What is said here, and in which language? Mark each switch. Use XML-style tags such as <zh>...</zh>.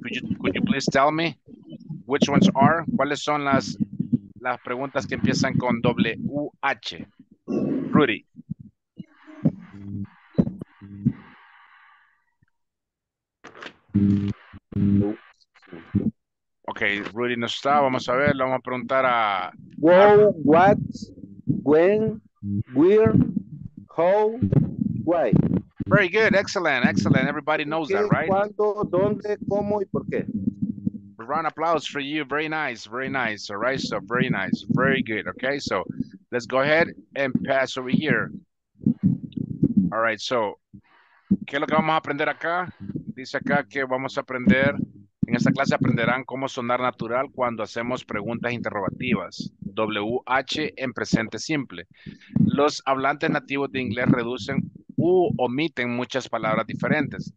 <en>Could you please tell me which ones are?</en> <es>¿Cuáles son las preguntas que empiezan con WH? Rudy. Okay, Rudy no está. Vamos a ver, le vamos a preguntar a...</es> <en>Where, what, when, where, how, why. Very good. Excellent. Excellent. Everybody knows that, right?</en> <es>¿Cuándo, dónde, cómo, y por qué?</es> <en>Round of applause for you. Very nice. Very nice. All right. So very nice. Very good. Okay. So let's go ahead and pass over here. All right.</en> <es>So, ¿qué es lo que vamos a aprender acá? Dice acá que vamos a aprender, en esta clase aprenderán cómo sonar natural cuando hacemos preguntas interrogativas. WH en presente simple. Los hablantes nativos de inglés reducen u omiten muchas palabras diferentes.</es>